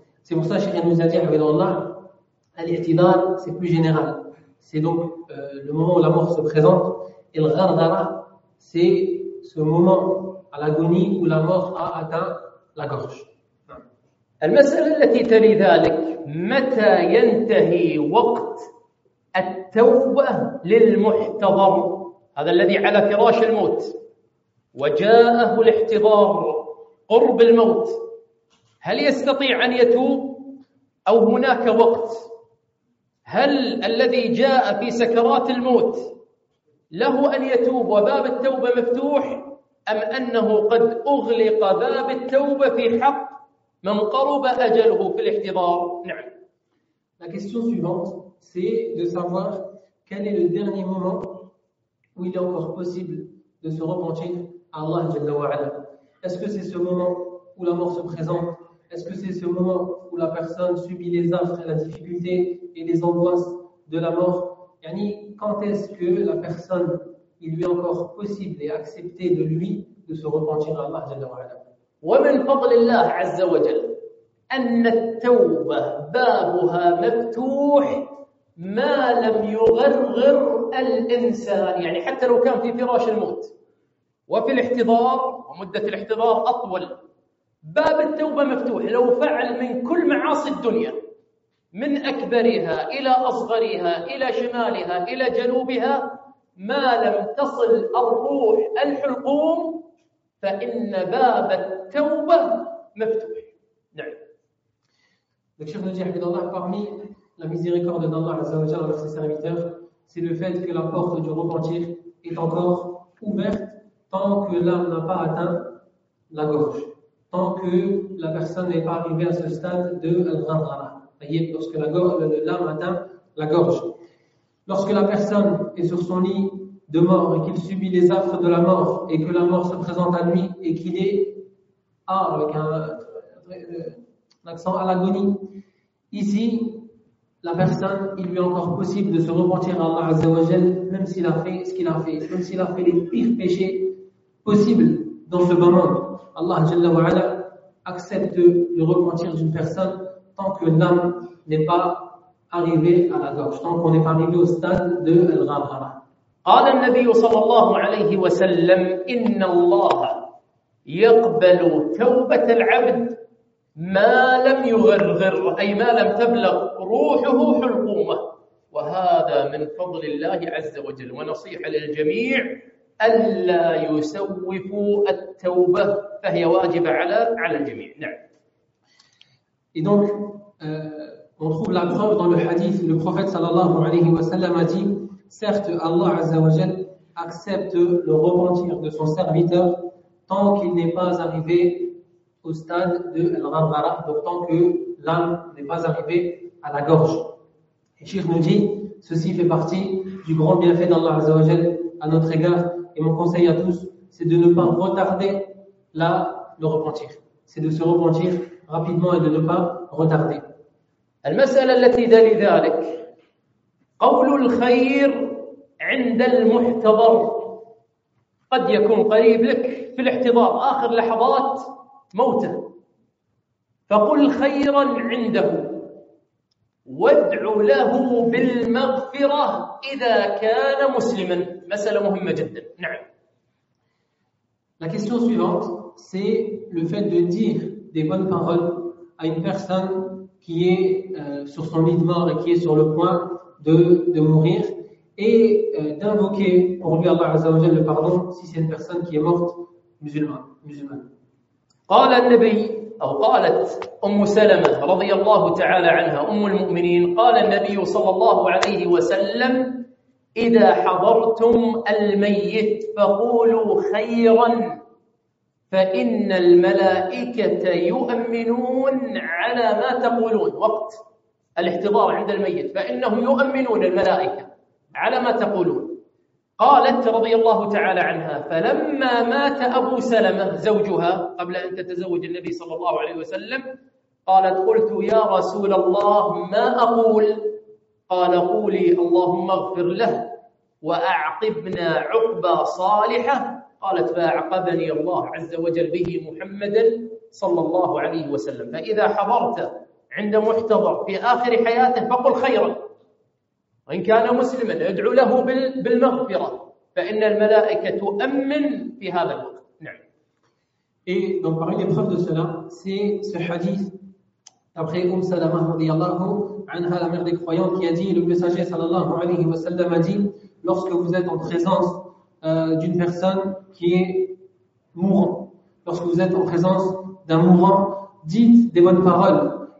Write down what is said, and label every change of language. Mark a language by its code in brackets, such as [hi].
[fr] C'est pour ça que Cheikh nous a dit, Abdallah, al-ihtidar, c'est plus général. C'est donc le moment où la mort se présente. Et le ghardara, c'est ce moment à l'agonie où la mort a atteint la gorge. [ar] المسألة التي تلي ذلك, متى ينتهي وقت التوبة للمحتضر, هذا الذي على فراش الموت وجاءه الاحتضار قرب الموت, هل يستطيع أن يتوب أو هناك وقت؟ هل الذي جاء في سكرات الموت له أن يتوب وباب التوبة مفتوح, أم أنه قد أغلق باب التوبة في حق من قرب أجله في الاحتضار؟ نعم. [fr] La question suivante, c'est de savoir quel est le dernier moment où il est encore possible de se repentir à Allah Jalla wa Ala. Est-ce que c'est ce moment où la mort se présente? Est-ce que c'est ce moment où la personne subit les affres et la difficulté et les angoisses de la mort? Yani, quand est-ce que la personne, il lui est encore possible et accepté de lui de se repentir à Allah Jalla wa Ala? [ar] ومن فضل الله عز وجل أن التوبة بابها مفتوح ما لم يغرغر الإنسان, يعني حتى لو كان في فراش الموت وفي الاحتضار ومدة الاحتضار أطول, باب التوبة مفتوح لو فعل من كل معاصي الدنيا من أكبرها إلى أصغرها إلى شمالها إلى جنوبها ما لم تصل الروح الحلقوم فإن باب التوبة مفتوح. نعم. [fr] Donc, Cheikh Najih Abdallah, parmi la miséricorde d'Allah Azza wa Jalla envers ses serviteurs, c'est le fait que la porte du repentir est encore ouverte tant que l'âme n'a pas atteint la gorge, tant que la personne n'est pas arrivée à ce stade de Al-Ghandara. Voyez, lorsque l'âme atteint la gorge. Lorsque la personne est sur son lit de mort et qu'il subit les affres de la mort et que la mort se présente à lui et qu'il est avec un accent à l'agonie, ici, la personne, il lui est encore possible de se repentir à Allah Azza wa Jal, même s'il a fait ce qu'il a fait, même s'il a fait les pires péchés possibles dans ce bas monde. Allah Jalla wa Ala accepte le repentir d'une personne tant que l'âme n'est pas arrivée à la gorge, tant qu'on n'est pas arrivé au stade de Al-Ghabara. [ar] قال النبي صلى الله عليه وسلم إن الله يقبل توبة العبد ما لم يغرغر أي ما لم تبلغ روحه حلقومة وهذا من فضل الله عز وجل ونصيحة للجميع ألا يسوفوا التوبة فهي واجبة على الجميع نعم. [fr] Et donc on trouve la preuve dans le hadith. Le prophète [ar] صلى الله عليه وسلم [fr] a dit: certes, Allah Azza wa Jal accepte le repentir de son serviteur tant qu'il n'est pas arrivé au stade de Al-Ghabara, donc tant que l'âme n'est pas arrivée à la gorge. Et Cheikh nous dit, ceci fait partie du grand bienfait d'Allah Azza wa Jal à notre égard, et mon conseil à tous, c'est de ne pas retarder le repentir. C'est de se repentir rapidement et de ne pas retarder. [ar] المسألة التي دل ذلك قول الخير عند المحتضر قد يكون قريب لك في الاحتضار آخر لحظات موته فقل خيرا عنده وادع له بالمغفرة إذا كان مسلما مسألة مهمة جدا نعم. [fr] La question suivante, c'est le fait de dire des bonnes paroles à une personne qui est sur son lit de mort et qui est sur le point de mourir et d'invoquer pour lui Allah Azza wa Jalla le pardon si c'est une personne qui est morte musulmane. [ar] قال النبي أو قالت أم سلمة رضي الله تعالى عنها أم المؤمنين قال النبي صلى الله عليه وسلم إذا حضرتم الميت فقولوا خيرا فإن الملائكة يؤمنون على ما تقولون وقت الاحتضار عند الميت فإنهم يؤمنون الملائكة على ما تقولون قالت رضي الله تعالى عنها فلما مات أبو سلمة زوجها قبل أن تتزوج النبي صلى الله عليه وسلم قالت قلت يا رسول الله ما أقول قال قولي اللهم اغفر له وأعقبنا عقبى صالحة قالت فأعقبني الله عز وجل به محمدا صلى الله عليه وسلم فإذا حضرت عند محتضر في آخر حياته فقل خيرا وإن كان مسلما ادعو له بالمغفرة فإن الملائكة تؤمن في هذا الوقت نعم. [fr] Et donc parmi les preuves de cela, c'est ce hadith d'après Umm Salama radiyallahu anha, la mère des croyants, qui a dit, le messager sallallahu alayhi wa sallam a dit, lorsque vous êtes en présence d'une personne qui est mourant, lorsque vous êtes en présence d'un mourant, dites des bonnes paroles.